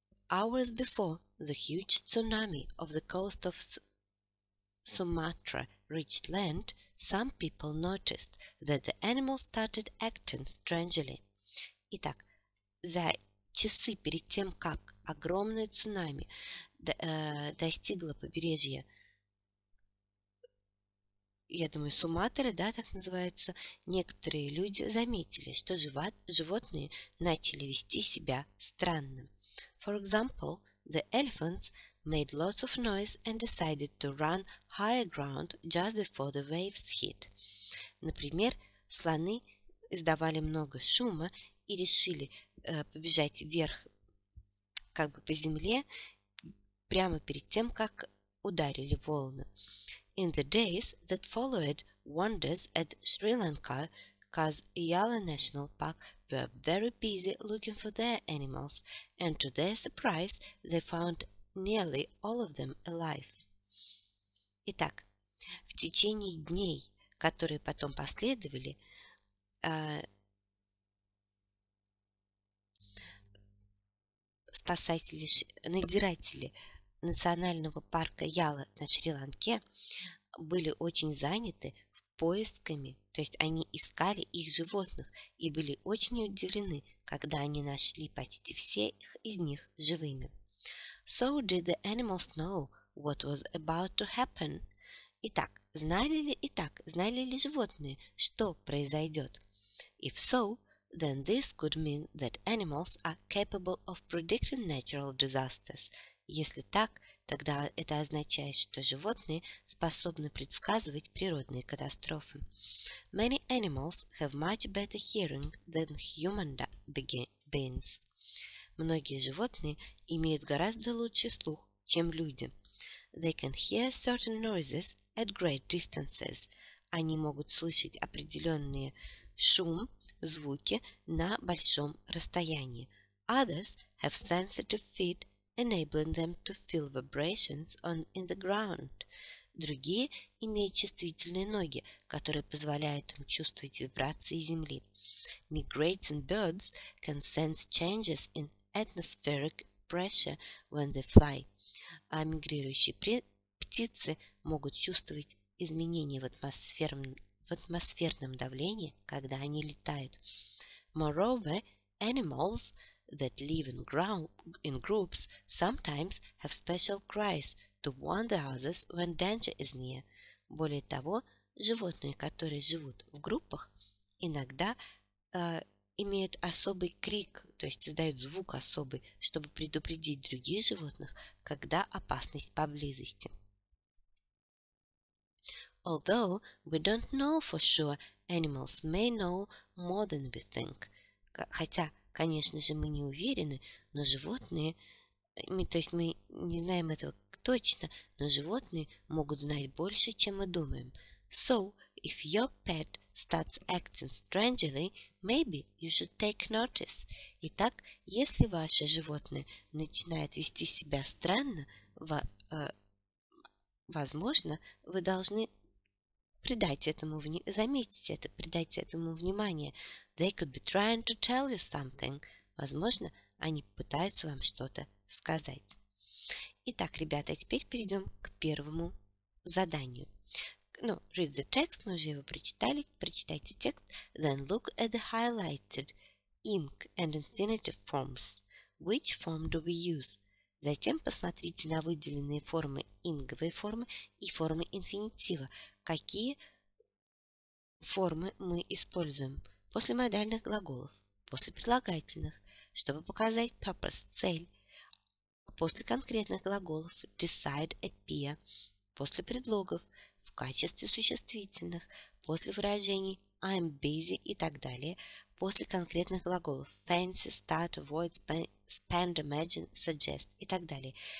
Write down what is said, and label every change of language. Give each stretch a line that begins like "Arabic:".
English: Hours before the huge tsunami of the coast of Sumatra reached land, some people noticed that the animals started acting strangely.
Russian: Итак, за часы перед тем, как огромное цунами достигло побережья, я думаю, Суматры, да, так называется, некоторые люди заметили, что животные начали вести себя странно.
English: For example, the elephants made lots of noise and decided to run higher ground just before the waves hit.
Russian: Например, слоны издавали много шума и решили побежать вверх, как бы по земле, прямо перед тем, как ударили волны.
English: In the days that followed, wonders at Sri Lanka's Yala National Park were very busy looking for their animals, and to their surprise, they found nearly all of them alive.
Russian: Итак, в течение дней, которые потом последовали, спасатели, надзиратели национального парка Яла на Шри-Ланке были очень заняты поисками, то есть они искали их животных и были очень удивлены, когда они нашли почти всех из них живыми.
English: So did the animals know what was about to happen?
Russian: Итак, знали ли животные, что произойдет?
English: If so, then this could mean that animals are capable of predicting natural disasters.
Russian: Если так, тогда это означает, что животные способны предсказывать природные катастрофы.
English: Many animals have much better hearing than human beings.
Russian: Многие животные имеют гораздо лучший слух, чем люди.
English: They can hear certain noises at great distances.
Russian: Они могут слышать определенные шум, звуки на большом расстоянии.
English: Others have sensitive feet, enabling them to feel vibrations in the ground.
Russian: Другие имеют чувствительные ноги, которые позволяют им чувствовать вибрации земли.
English: Migrating birds can sense changes in atmospheric pressure when they fly.
Russian: А мигрирующие птицы могут чувствовать изменения в атмосферном давлении, когда они летают.
English: Moreover, animals that live in groups sometimes have special cries to warn the others when danger is near.
Russian: Более того, животные, которые живут в группах, иногда имеют особый крик, то есть издают звук особый, чтобы предупредить других животных, когда опасность поблизости.
English: Although we don't know for sure, animals may know more than we think.
Russian: Хотя, конечно же, мы не уверены, но животные, то есть мы не знаем этого точно, но животные могут знать больше, чем мы думаем.
English: So, if your pet starts acting strangely, maybe you should take notice.
Russian: Итак, если ваше животное начинает вести себя странно, возможно, вы должны придать этому внимание.
English: They could be trying to tell you something.
Russian: Возможно, они пытаются вам что-то сказать. Итак, ребята, теперь перейдем к первому заданию. Ну,
English: read the text,
Russian: мы уже его прочитали. Прочитайте текст.
English: Then look at the highlighted ink and infinitive forms. Which form do we use?
Russian: Затем посмотрите на выделенные формы, инговые формы и формы инфинитива. Какие формы мы используем? После модальных глаголов, после прилагательных, чтобы показать purpose, цель, после конкретных глаголов,
English: decide, appear,
Russian: после предлогов, в качестве существительных, после выражений
English: I'm busy
Russian: и так далее, после конкретных глаголов
English: fancy, start, avoid, spend, imagine, suggest
Russian: и так далее.